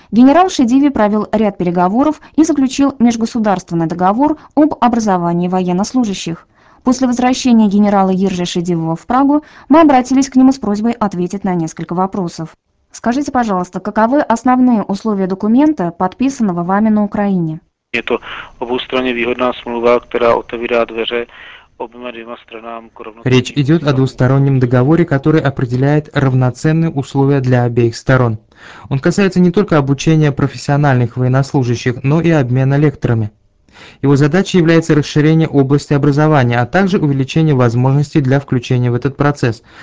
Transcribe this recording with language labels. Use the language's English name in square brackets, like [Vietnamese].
[Russian] Генерал Шидиви провел ряд переговоров и заключил межгосударственный договор об образовании военнослужащих. После возвращения генерала Ержи Шидивы в Прагу мы обратились к нему с просьбой ответить на несколько вопросов. Скажите, пожалуйста, каковы основные условия документа, подписанного вами на Украине? [Czech] Je to obustranně výhodná smlouva, která otevírá dveře oběma dvěma stranám. [Russian] Речь идет о двустороннем договоре, который определяет равноценные условия для обеих сторон. Он касается не только обучения профессиональных военнослужащих, но и обмена лекторами. Его задачей является расширение области образования, а также увеличение возможностей для включения в этот процесс.